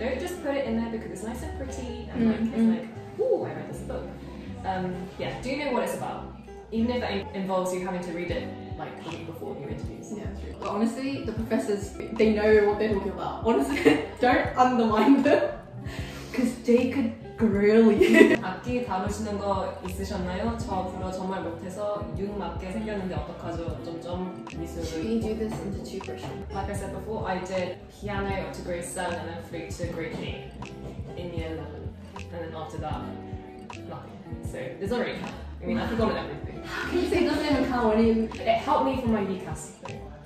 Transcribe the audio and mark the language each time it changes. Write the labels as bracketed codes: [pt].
[en] Don't just put it in there because it's nice and pretty and like, I read this book. Yeah, do you know what it's about? Even if that involves you having to read it like a week before your interviews. Yeah, true. Well, honestly, the professors, they know what they're talking about. Honestly, don't undermine them because they could grill you. [ko] 악기 다루시는 거 있으셨나요? 저 불어 정말 못해서 6 맞게 생겼는데 어떡하죠? 점점 미술을... [en] Should you do this into two versions? Like I said before, I did piano up to grade 7 and then flute to grade 8 in year 11. And then after that, nothing. So, there's already count. I mean, I forgot everything. How can you say it doesn't even count when you... It helped me for my VCAS thing.